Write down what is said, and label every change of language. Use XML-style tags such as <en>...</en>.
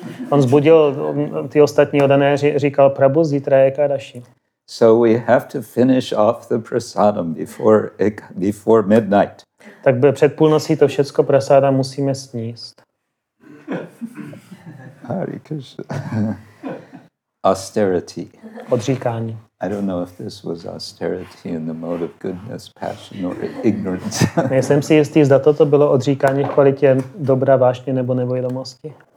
<cs>On zbudil ty ostatní odané, říkal, Prabhus, zítra je Ekadashi.</cs> <en>So we have to finish off the prasadam before midnight.</en> <cs>Tak by před půlnocí to všecko prasádam musíme sníst.</cs> <en>Hare Krishna. Austerity.</en> <cs>Odříkání.</cs> <en>I don't know if this was austerity in the mode of goodness, passion or ignorance.</en> <cs>Nejsem si jistý, zda toto bylo odříkání v kvalitě dobra, vášně nebo nevědomosti.</cs>